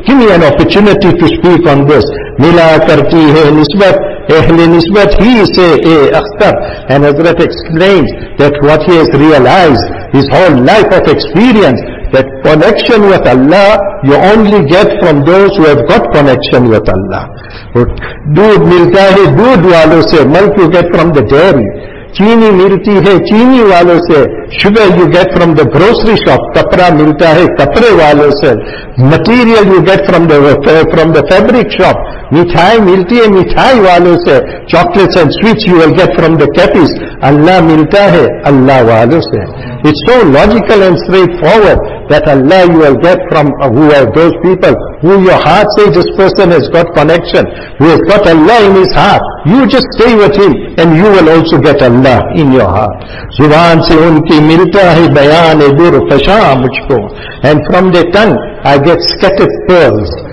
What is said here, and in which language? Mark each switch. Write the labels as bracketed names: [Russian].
[English] Give me an opportunity to speak on this. [Urdu] Mila karti hai nisbat, ahli nisbat hi se e akhtar. [English] And Hazrat explains that what he has realized, his whole life of experience, that connection with Allah you only get from those who have got connection with Allah. [Urdu] Doodh milta hai doodh walo se, [English] milk you get from the dairy. [Urdu] چینی ملتی ہے چینی والوں سے, [English] sugar you get from the grocery shop, [Urdu] کپڑا ملتا ہے کپڑے والوں سے, [English] material you get from the fabric shop, [Urdu] مٹھائی ملتی ہے مٹھائی والوں سے, [English] chocolates and sweets you will get from the cafes, [Urdu] اللہ ملتا ہے اللہ والوں سے. [English] It's so logical and straightforward that Allah you will get from who are those people who your heart says this person has got connection, who has got Allah in his heart. You just stay with him and you will also get Allah in your heart. [Urdu] Zuban se unki milta hai bayan e dur fasha mujhko, [English] and from their tongue I get scattered pearls.